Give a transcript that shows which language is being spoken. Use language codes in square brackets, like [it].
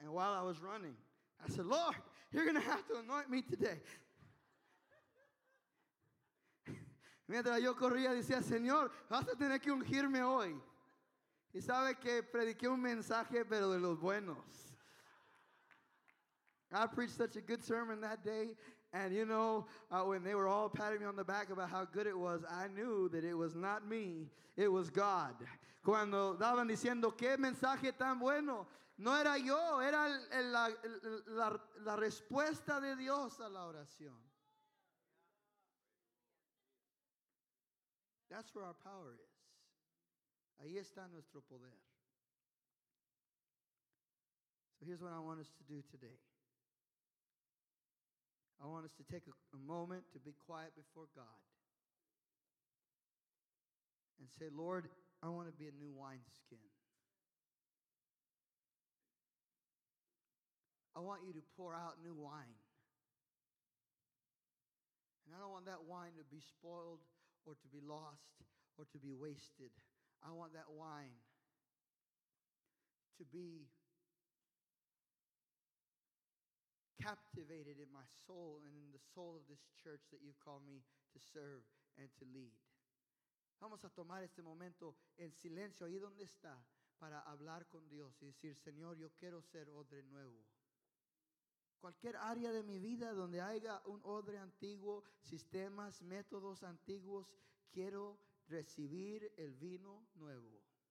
[en] And while I was running, I said, Lord, you're going to have to anoint me today. [es] Mientras yo corría, decía, Señor, vas a tener que ungirme hoy. Y sabe que prediqué un mensaje, pero de los buenos. [en] I preached such a good sermon that day, and you know, when they were all patting me on the back about how good it was, I knew that it was not me, it was God. [es] Cuando estaban diciendo, ¿qué mensaje tan bueno? No era yo, era la respuesta de Dios a la oración. [en] That's where our power is. [es] Ahí está nuestro poder. [en] So here's what I want us to do today. I want us to take a moment to be quiet before God and say, Lord, I want to be a new wineskin. I want you to pour out new wine. And I don't want that wine to be spoiled or to be lost or to be wasted. I want that wine to be captivated in my soul and in the soul of this church that you've called me to serve and to lead. [es] Vamos a tomar este momento en silencio ahí donde está para hablar con Dios y decir, Señor, yo quiero ser odre nuevo. Cualquier área de mi vida donde haya un odre antiguo, sistemas, métodos antiguos, quiero recibir el vino nuevo.